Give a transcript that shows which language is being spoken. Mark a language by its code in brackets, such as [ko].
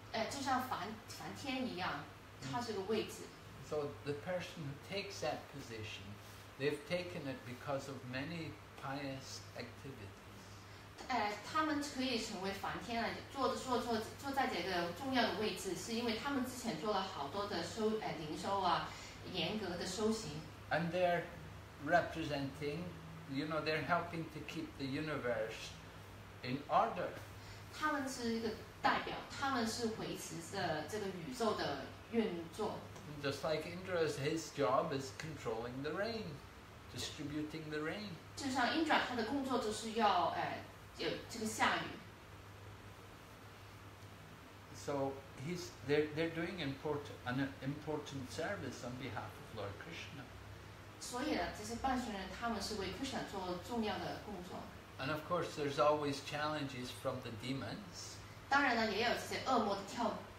[zh] 就像梵天一样，他是个位置。 [en] So the person who takes that position. They've taken it because of many pious activities. [zh] 他们可以成为梵天了，坐在这个重要的位置，是因为他们之前做了好多的灵修啊，严格的修行。 [en] And they're representing, you know, they're helping to keep the universe in order. [zh] 他们是一个代表，他们是维持着这个宇宙的运作。 [en] Just like Indra, his job is controlling the rain, distributing the rain. [zh] 就像 Indra 他的工作就是要有这个下雨。 [en] So they're doing an important service on behalf of Lord Krishna. [zh] 所以呢，这些半神人他们是为 Krishna 做重要的工作。 [en] And of course, there's always challenges from the demons. [zh] 当然呢，也有这些恶魔的挑战。